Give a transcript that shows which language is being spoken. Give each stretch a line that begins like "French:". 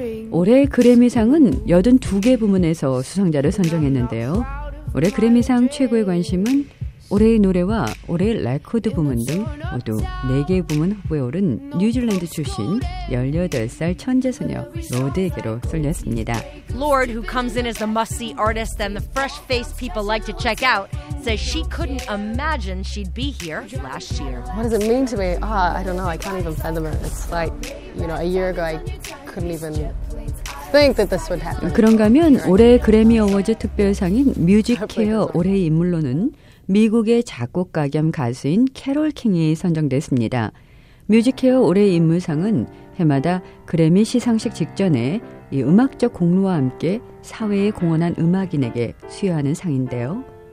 Korean: 올해 그래미상은 82개 부문에서 수상자를 선정했는데요. 올해 그래미상 최고의 관심은 올해의 노래와 올해의 레코드 부문 등 모두 4개 부문 후보에 오른 뉴질랜드 출신 18살 천재소녀 로드에게로 쏠렸습니다.
English: Lord, who comes in as the must-see artist and the fresh-faced people like to check out, says she couldn't imagine she'd be here last year. What does it mean to me? Oh, I don't know. I can't even fathom it. It's like, you know, a year ago I couldn't even... Think that this would happen.
Korean: 그런가면 올해 그래미 어워즈 특별상인 뮤직케어 올해의 인물로는 미국의 작곡가 겸 가수인 캐롤 킹이 선정됐습니다. 뮤직케어 올해의 인물상은 해마다 그래미 시상식 직전에 이 음악적 공로와 함께 사회에 공헌한 음악인에게 수여하는 상인데요.